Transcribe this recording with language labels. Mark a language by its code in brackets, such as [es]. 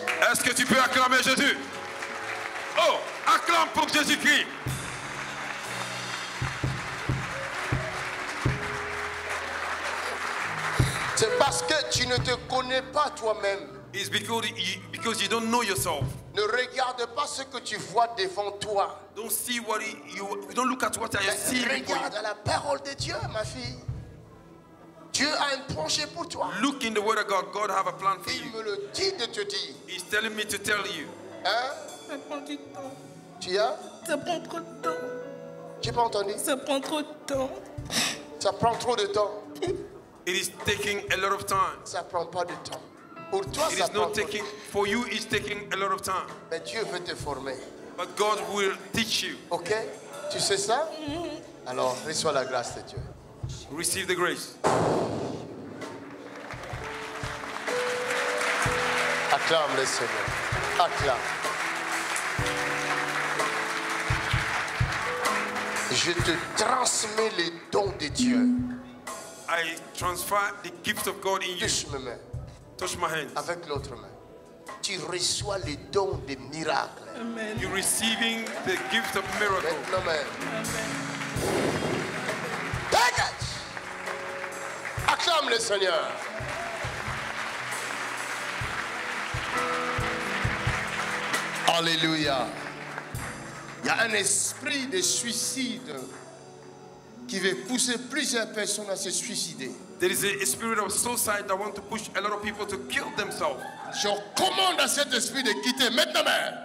[fr] Est-ce que tu peux acclamer Jésus? Oh, acclame pour Jésus-Christ. C'est parce que tu ne te connais pas toi-même. [en] It's because you don't know yourself. [fr] Ne regarde pas ce que tu vois devant toi. [en] Don't see what you don't look at what you see. [fr] Regarde la parole de Dieu, ma fille. Dieu a un projet pour toi. [en] Look in the word of God. God have a plan for [fr] Il [en] you. [fr] Il me le dit de te dire. [en] He's telling me to tell you. [fr] Hein? Ça prend du temps. Tu as? Ça prend trop de temps. J'ai pas entendu. Ça prend trop de temps. Ça prend trop de temps. [en] It is taking a lot of time. [fr] Ça prend pas de temps. Pour toi, [en] it is not taking for you. It's taking a lot of time. [fr] Mais Dieu veut te former. [en] But God will teach you. [fr] Okay, tu sais ça? Alors reçois la grâce de Dieu. [en] Receive the grace. [fr] Acclame le Seigneur. Acclame. Je te transmets les dons de Dieu. [en] I transfer the gift of God in you. [fr] Touche mes mains. [en] Touch my hands. [fr] Avec l'autre main. Tu reçois les dons des miracles. Amen. [en] You're receiving the gift of miracles. [fr] Avec l'autre main. Amen. Dégage! Acclame le Seigneur. Alléluia. Il y a un esprit de suicide qui veut pousser plusieurs personnes à se suicider. [en] There is a spirit of suicide that wants to push a lot of people to kill themselves. [fr] Je commande à cet esprit de quitter maintenant même.